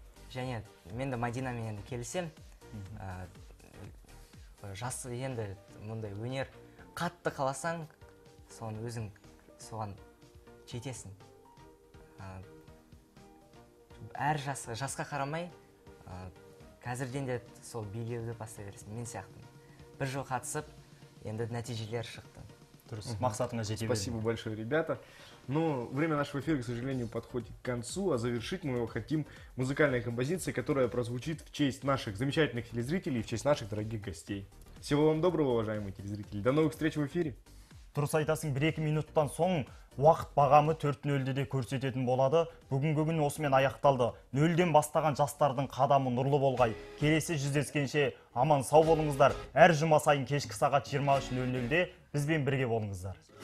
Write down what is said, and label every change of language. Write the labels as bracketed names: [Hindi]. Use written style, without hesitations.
[Kazakh] Және мен де Мадина мен келсем, жасы енді мұндай өнер қатты қаласаң, соған жетесің. әр жасқа қарамай, қазірден де сол билеуді баста бересің, мен сияқтым. Бір жыл қатысып, енді нәтижелер шықты. Дұрыс, мақсатыңа жете берді. [Russian] Спасибо большое, ребята. Но время нашего эфира, к сожалению, подходит к концу, а завершить мы его хотим музыкальной композицией, которая прозвучит в честь наших замечательных телезрителей и в честь наших дорогих гостей. Всего вам доброго, уважаемые телезрители. До новых встреч в эфире. [Kazakh] Дұрыс айтасың, 1-2 минуттан соң уақыт бағамы 4-0-ді де көрсететін болады. Бүгінгі күн осымен аяқталды. Нөлден бастаған жастардың қадамы нұрлы болғай. Келесі жүздескенше аман сау болыңыздар. Әр жұма сайын кешкі сағат 23:00-де бізбен бірге болыңыздар.